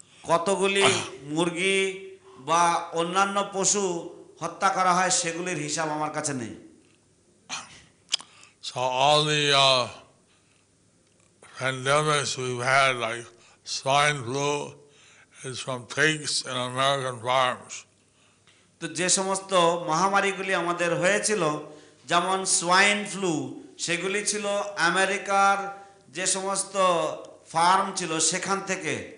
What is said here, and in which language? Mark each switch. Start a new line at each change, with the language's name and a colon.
Bangla: কতগুলি মুরগি বা অন্যান্য পশু হত্যা করা হয় সেগুলির হিসাব আমার কাছে নেই।
English: So all the pandemics we've had, like swine flu, is from pigs in American farms.
Bangla: তো যে সমস্ত মহামারীগুলি আমাদের হয়েছিল, যেমন সোয়াইন ফ্লু, সেগুলি ছিল আমেরিকার যে সমস্ত ফার্ম ছিল সেখান থেকে।